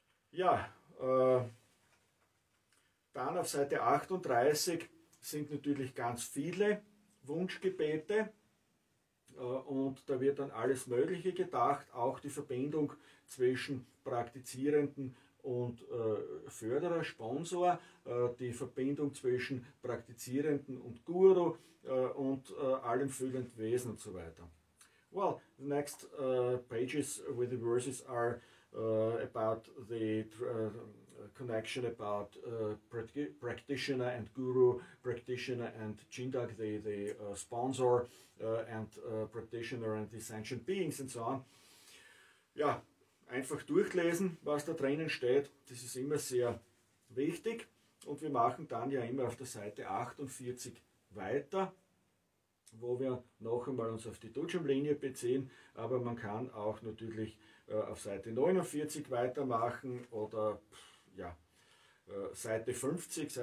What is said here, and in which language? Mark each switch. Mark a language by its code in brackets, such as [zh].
[de] Ja, dann auf Seite 38 sind natürlich ganz viele Wunschgebete, und da wird dann alles Mögliche gedacht, auch die Verbindung zwischen Praktizierenden und Förderer, Sponsor, die Verbindung zwischen Praktizierenden und Guru und allen fühlenden Wesen und so weiter. [en] Well, the next pages with the verses are about the connection about practitioner and guru, practitioner and Chindak, the sponsor, and practitioner and the sentient beings and so on. [de] Ja, einfach durchlesen, was da drinnen steht, das ist immer sehr wichtig. Und wir machen dann ja immer auf der Seite 48 weiter, wo wir noch einmal uns auf die Dujam-Linie beziehen, aber man kann auch natürlich auf Seite 49 weitermachen oder ja, Seite 50.